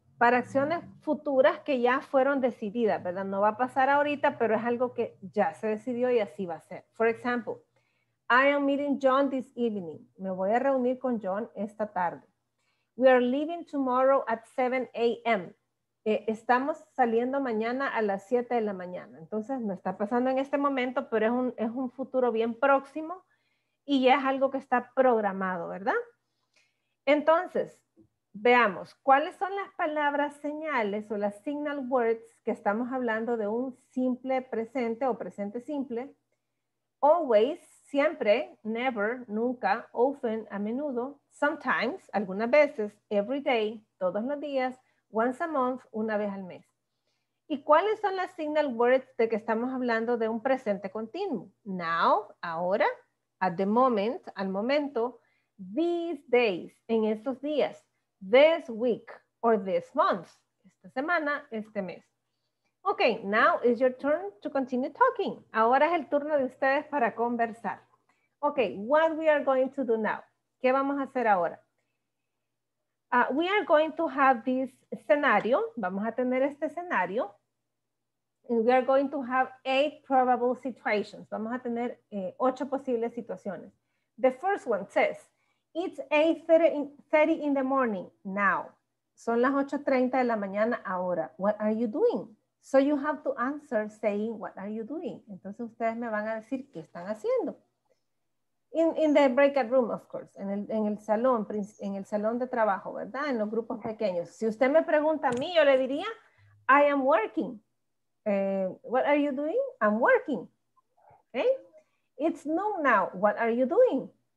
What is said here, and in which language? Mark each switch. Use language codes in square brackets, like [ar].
[es] para acciones futuras que ya fueron decididas, ¿verdad? No va a pasar ahorita, pero es algo que ya se decidió y así va a ser. [en] For example, I am meeting John this evening. [es] Me voy a reunir con John esta tarde. [en] We are leaving tomorrow at 7 a.m. [es] Estamos saliendo mañana a las 7 de la mañana. Entonces, no está pasando en este momento, pero es un futuro bien próximo y ya es algo que está programado, ¿verdad? Entonces, veamos, ¿cuáles son las palabras señales o las signal words que estamos hablando de un simple presente o presente simple? Always, siempre, never, nunca, often, a menudo, sometimes, algunas veces, every day, todos los días, once a month, una vez al mes. ¿Y cuáles son las signal words de que estamos hablando de un presente continuo? [en] Now, ahora, at the moment, al momento, these days, en estos días, this week, or this month, esta semana, este mes. Ok, now is your turn to continue talking. [es] Ahora es el turno de ustedes para conversar. [en] Ok, what we are going to do now? [es] ¿Qué vamos a hacer ahora? [en] We are going to have this scenario. [es] Vamos a tener este escenario. [en] And we are going to have 8 probable situations. [es] Vamos a tener 8 posibles situaciones. [en] The first one says, it's 8:30 in the morning now. [es] Son las 8:30 de la mañana ahora. [en] What are you doing? So you have to answer saying, what are you doing? [es] Entonces ustedes me van a decir, ¿qué están haciendo? [en] In the breakout room, of course, [es] en el salón de trabajo, ¿verdad? En los grupos pequeños. Si usted me pregunta a mí, yo le diría, [en] I am working. What are you doing? I'm working. Okay? It's noon now. What are you doing?